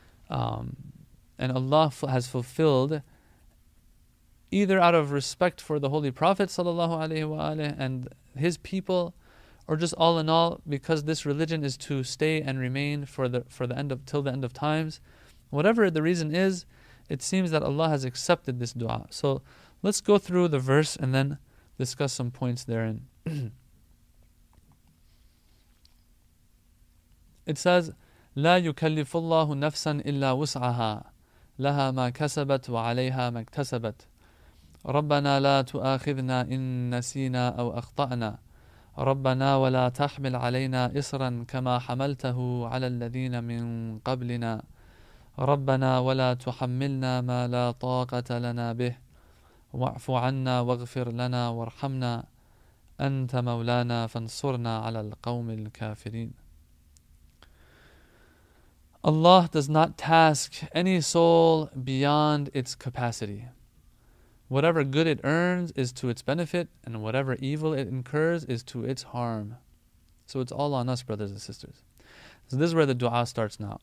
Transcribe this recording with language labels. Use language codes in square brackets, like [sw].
[en] And Allah has fulfilled, either out of respect for the Holy Prophet sallallahu alaihi wa alihi and his people, or just all in all because this religion is to stay and remain till the end of times. Whatever the reason is, it seems that Allah has accepted this dua. So let's go through the verse and then discuss some points therein. [ar] It says, لا يكلف الله نفسا إلا وسعها لها ما كسبت وعليها ما اكتسبت ربنا لا تؤاخذنا إن نسينا أو أخطأنا ربنا ولا تحمل علينا إصرا كما حملته على الذين من قبلنا ربنا ولا تحملنا ما لا طاقة لنا به واعف عنا واغفر لنا وارحمنا أنت مولانا فانصرنا على القوم الكافرين. [en] Allah does not task any soul beyond its capacity. Whatever good it earns is to its benefit, and whatever evil it incurs is to its harm. So it's all on us, brothers and sisters. So this is where the dua starts now.